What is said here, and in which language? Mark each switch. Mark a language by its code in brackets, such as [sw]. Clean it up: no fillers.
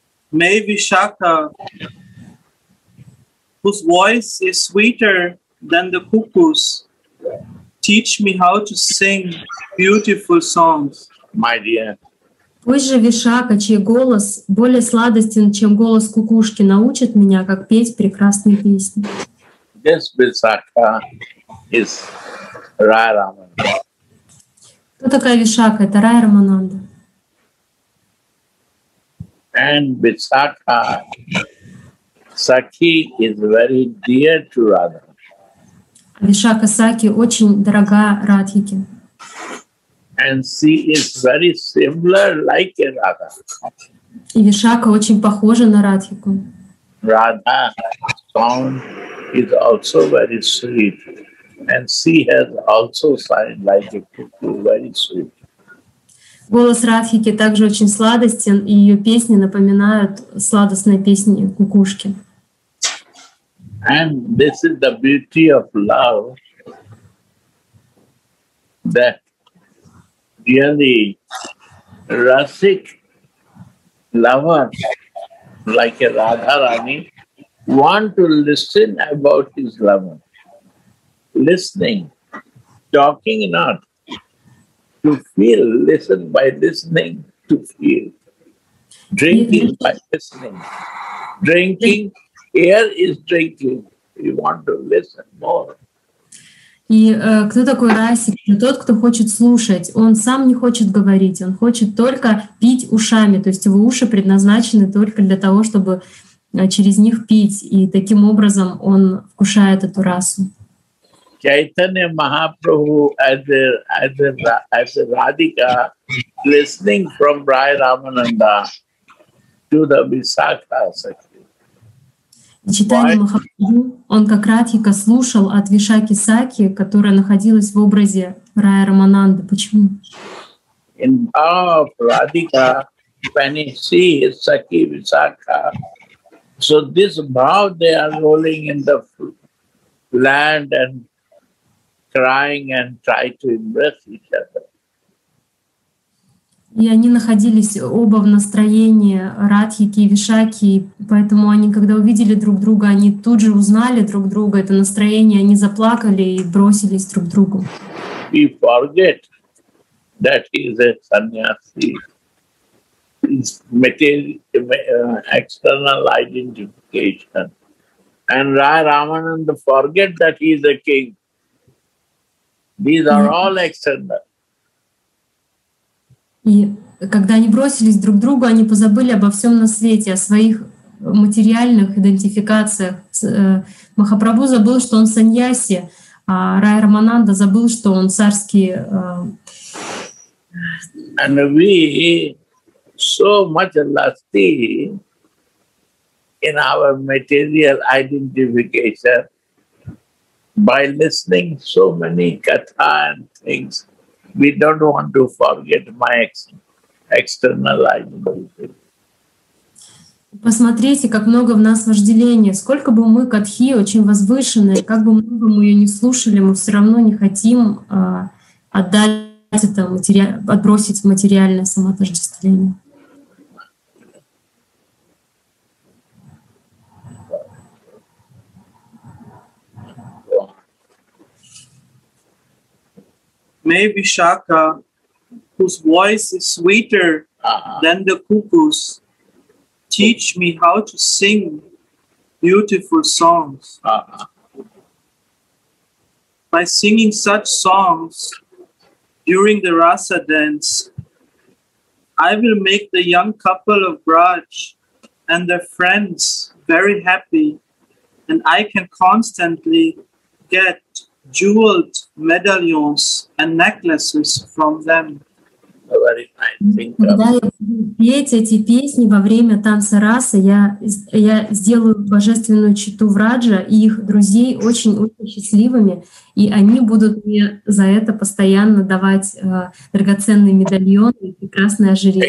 [en] May Vishakha, whose voice is sweeter than the cuckoo's, teach me how to sing beautiful songs. My dear. [ru] Пусть же Вишака, чей голос более сладостен, чем голос кукушки, научит меня, как петь прекрасные песни. [en] This Vishakha is Rai Ramananda. [ru] Кто такая Вишака? Это Рай Рамананда. [en] And Vishakha, Sakhi is very dear to Radha. [ru] Вишака Сакхи очень дорога Радхике. [en] And she is very similar like Radha. [ru] И Вишака очень похожа на Радхику. [en] Radha song is also very sweet, and she has also sounded like a cuckoo, very sweet. [ru] Голос Радхики также очень сладостен, и ее песни напоминают сладостные песни кукушки. [en] And this is the beauty of love, that really rasic lover like a Radharani want to listen about his lover, listening, talking not, to feel, listen by listening, to feel, drinking by listening, drinking, air is drinking, you want to listen more. [ru] И кто такой Расик? Это тот, кто хочет слушать. Он сам не хочет говорить, он хочет только пить ушами, то есть его уши предназначены только для того, чтобы через них пить, и таким образом он вкушает эту расу. [en] Чайтанья Махапрабху as a Radhika listening from Rai Ramananda to the Vishakha Sakhi. [ru] Чайтанья Махапрабху, он как Радхика слушал от Вишаки Сакхи, которая находилась в образе Рая Рамананды. Почему? [en] In power of Radhika, when he sees Sakhi Vishakha, so this bhav they are rolling in the land and crying and try to embrace each other. [ru] И они находились оба в настроении Радхики и Вишаки, поэтому они, когда увидели друг друга, они тут же узнали друг друга. Это настроение, они заплакали и бросились друг к другу. [en] We forget that he is a sannyasi. It's material, external identification. And Rai Ramananda forget that he is a king. These are all external. [ru] И когда они бросились друг к другу, они позабыли обо всем на свете, о своих материальных идентификациях. Махапрабху забыл, что он саньяси, а Рай Рамананда забыл, что он царский. [en] And we so much lusty in our material identification by listening so many katha and things, we don't want to forget my externalized belief. [ru] Посмотрите, как много в нас вожделения. Сколько бы мы катхи, очень возвышенные, как бы много мы ее не слушали, мы все равно не хотим отдать это, отбросить материальное самоотождествление. [en] May Vishakha, whose voice is sweeter than the cuckoo's, teach me how to sing beautiful songs. By singing such songs during the rasa dance, I will make the young couple of Braj and their friends very happy, and I can constantly get jeweled medallions and necklaces from them. [ru] Когда я буду петь эти песни во время танца расы, я сделаю божественную читу враджа и их друзей очень-очень счастливыми, и они будут мне за это постоянно давать драгоценные медальоны и прекрасные ожерелья.